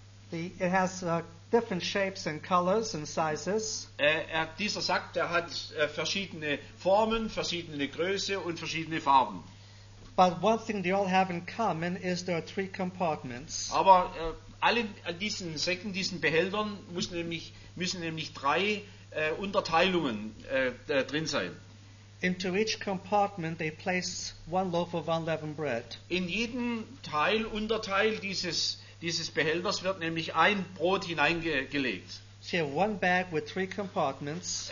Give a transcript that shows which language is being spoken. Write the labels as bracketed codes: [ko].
[en] It has different shapes and colors and sizes. [de] Dieser Sack, der hat verschiedene Formen, verschiedene Größe und verschiedene Farben. [en] But one thing they all have in common is there are three compartments. [de] Aber alle diesen Säcken, diesen Behältern müssen nämlich drei Unterteilungen drin sein. [en] Into each compartment they place one loaf of unleavened bread. [de] In jeden Teil, Unterteil dieses Behälters wird nämlich ein Brot hineingelegt. [en] So you have one bag with three compartments.